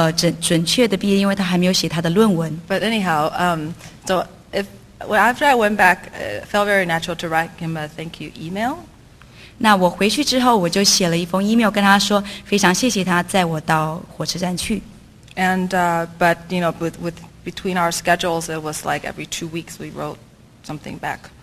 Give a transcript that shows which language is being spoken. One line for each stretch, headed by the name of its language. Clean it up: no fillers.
Chinese: 其实他那时候并不太知道他什么时候可以准确的毕业，因为他还没有写他的论文。
English: But anyhow, so if well, after I went back, it felt very natural to write him a thank you email.
Chinese: 那我回去之后，我就写了一封email跟他说，非常谢谢他载我到火车站去。
English: And but you know, with between our schedules, it was like every 2 weeks we wrote something back.